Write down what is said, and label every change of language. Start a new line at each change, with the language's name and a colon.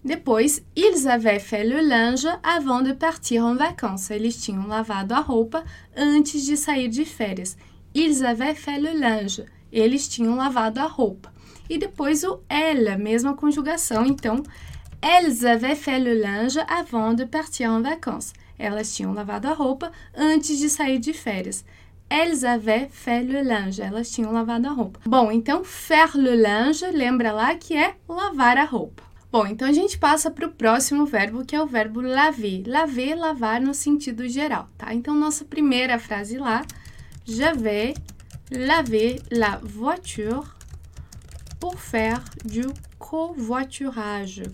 French: Depois, ils avaient fait le linge avant de partir en vacances.
Portuguese: Eles tinham lavado a roupa antes de sair de férias.
French: Ils avaient fait le linge.
Portuguese: Eles tinham lavado a roupa. E depois o elle, mesma conjugação.
French: Então, elles avaient fait le linge avant de partir en vacances.
Portuguese: Elas tinham lavado a roupa antes de sair de férias.
French: Elles avaient fait le linge.
Portuguese: Elas tinham lavado a roupa. Bom, então, faire le linge, lembra lá que é lavar a roupa. Bom, então a gente passa para o próximo verbo, que é o verbo laver. Laver, lavar no sentido geral, tá? Então, nossa primeira frase lá.
French: J'avais lavé la voiture pour faire du covoiturage.